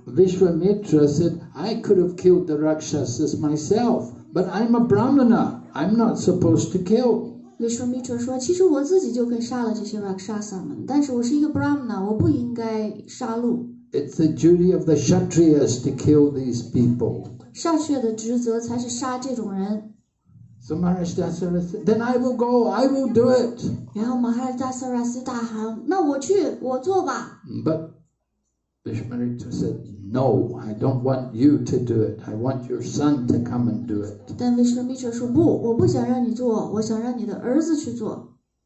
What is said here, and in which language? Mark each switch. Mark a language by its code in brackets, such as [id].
[en] Vishwamitra said, "I could have killed the Rakshasas myself, but I'm a Brahmana. I'm not supposed to kill." [zh] Vishwamitra 说，其实我自己就可以杀了这些 Rakshasa 们，但是我是一个 Brahmana， 我不应该杀戮。 [en] It's the duty of the Kshatriyas to kill these people. [zh] 下雪的职责才是杀这种人。 [en] So Maharaj Dasarath said, "Then I will go. I will do it." [zh] 然后 Maharaj Dasarath 大喊，那我去，我做吧。 [en] But Vishwamitra said,"No, I don't want you to do it. I want your son to come and do it." [zh] 但 Vishwamitra 说，不，我不想让你做，我想让你的儿子去做。